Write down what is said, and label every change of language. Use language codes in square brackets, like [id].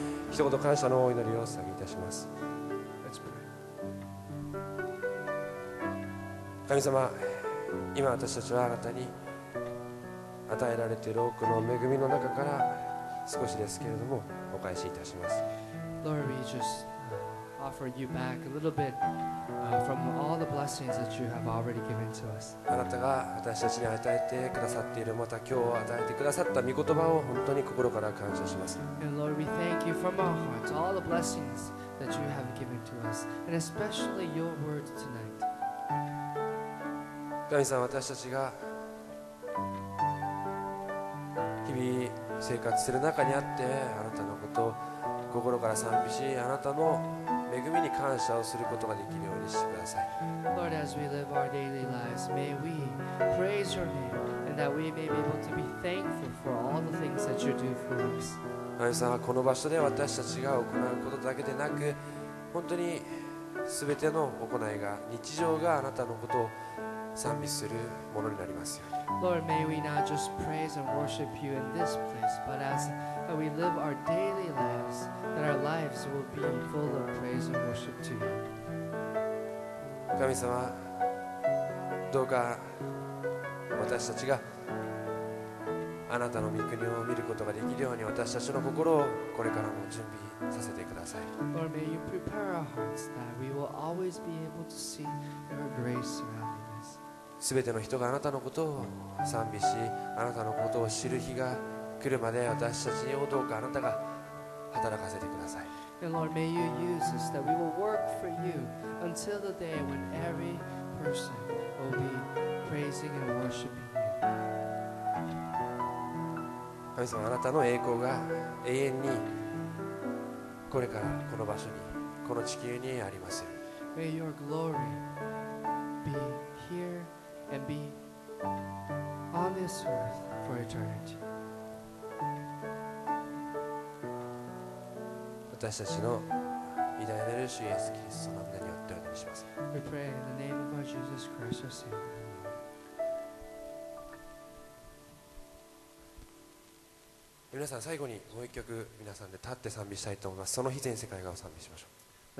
[ja] 一言感謝のお祈りを捧げいたします。 [en] Let's pray. [ja] 神様、今私たちはあなたに与えられている多くの恵みの中から少しですけれども、お返しいたします。 [en] Lord, we just offer you back a little bit from all the blessings that you have already given to us. [ja] あなたが私たちに与えてくださっている、また今日与えてくださった御言葉を本当に心から感謝します。 [en] And Lord, we thank you from our hearts all the blessings that you have given to us, and especially your word tonight. [ja] 神様、私たちが日々生活する中にあって、あなたのことを心から賛美し、あなたの恵みに感謝をすることができるようにしてください。 [en] Lord, as we live our daily lives, may we praise your name, and that we may be able to be thankful for all the things that you do for us. [ja] 神様、この場所で私たちが行うことだけでなく、本当に全ての行いが、日常があなたのことを賛美するものになりますように。 [en] Lord, may we not just praise and worship you in this place, but as we live our daily lives, that our lives will be full of praise and worship to you. [ja] 神様、どうか私たちがあなたの御国を見ることができるように私たちの心をこれからも準備させてください。 [en] Lord, may you prepare our hearts that we will always be able to see your grace around us. [ja] 全ての人があなたのことを賛美し、あなたのことを知る日が来るまで、私たちにどうかあなたが働かせてください。 [en] And Lord, may you use us that we will work for you until the day when every person will be praising and worshiping you. [ja] 神様、あなたの栄光が永遠にこれからこの場所に、この地球にあります。 [en] May your glory be hereAnd be on this earth for eternity. [ja] 私たちの偉大なる主イエスキリストの名によってお祈りします。 [en] We pray in the name of our Jesus Christ, our Savior. [ja] みなさん、最後にもう一曲、皆さんで立って賛美したいと思います。その日全世界がお賛美しましょう。